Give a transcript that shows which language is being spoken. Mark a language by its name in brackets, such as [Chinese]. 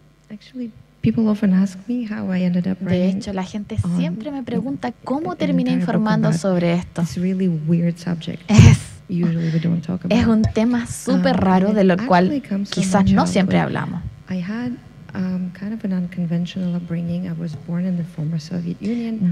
[English] Actually, people often ask me how I ended up writing. [Spanish] De hecho, la gente siempre me pregunta cómo terminé informando sobre esto. [English] It's a really weird subject. Usually we don't talk about. [Spanish] Es un tema súper raro de lo cual quizás no siempre hablamos. [English] I had kind of an unconventional upbringing. I was born in the former Soviet Union.